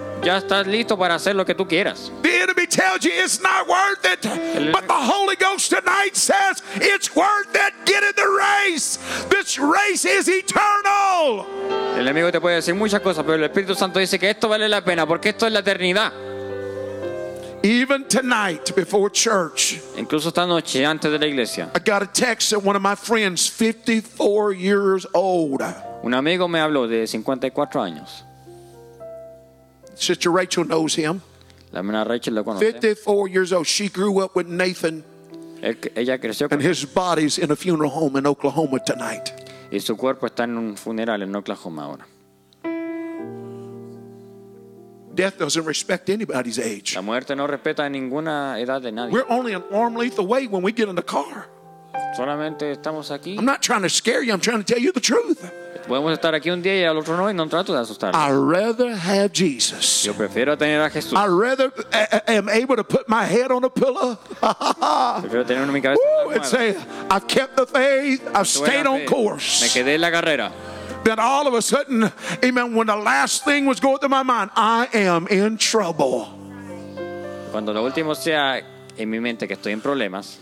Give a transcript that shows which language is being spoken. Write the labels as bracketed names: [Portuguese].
[Spanish] Ya estás listo para hacer lo que tú quieras. [English] The enemy tells you it's not worth it. But the Holy Ghost tonight says it's worth it. Get in the race. This race is eternal. [Spanish] El enemigo te puede decir muchas cosas, pero el Espíritu Santo dice que esto vale la pena porque esto es la eternidad. [English] Even tonight before church, [Spanish] incluso esta noche antes de la iglesia, [English] I got a text from one of my friends, 54 years old. [Spanish] Un amigo me habló de 54 años. [English] Sister Rachel knows him. [Spanish] La hermana Rachel lo conoce. [English] 54 years old. She grew up with Nathan. [Spanish] Ella creció con [English] and his body's in a funeral home in Oklahoma tonight. [Spanish] Y su cuerpo está en un funeral en Oklahoma ahora. [English] Death doesn't respect anybody's age. [Spanish] La muerte no respeta ninguna edad de nadie. [English] We're only an arm length away when we get in the car. [Spanish] Solamente estamos aquí. [English] I'm not trying to scare you. I'm trying to tell you the truth. [Spanish] Podemos estar aquí un día y al otro no, y no trato de asustar. [English] I'd rather have Jesus. [Spanish] Yo prefiero tener a Jesús. [English] I'd rather am able to put my head on a pillow. [Spanish] Prefiero tener mi cabeza en la almohada. [English] And say, I've kept the faith. I've stayed on course. [Spanish] Me quedé en la carrera. [English] That all of a sudden, amen, when the last thing was going through my mind, I am in trouble. [Spanish] Cuando lo último sea en mi mente que estoy en problemas.